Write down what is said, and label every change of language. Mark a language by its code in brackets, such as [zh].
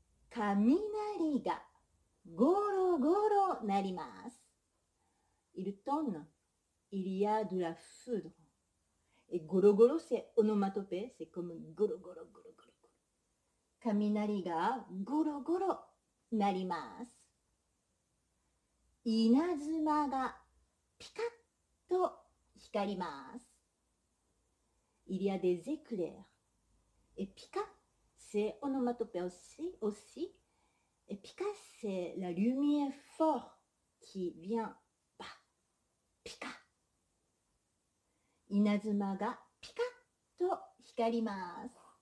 [ja] 雷がゴロゴロ鳴ります。 [fr] Il tonne. Il y a de la foudre. Et ゴロゴロ c'est onomatopée. C'est comme [ja] ゴロゴロゴロゴロゴロ。雷がゴロゴロ鳴ります。稲妻がピカッと光ります。 [fr] Il y a des éclairs. Et pika, c'est onomatopée aussi. Et pika, c'est la lumière forte qui vient. [ja] Bah, pika. Inazuma ga pika to hikarimasu.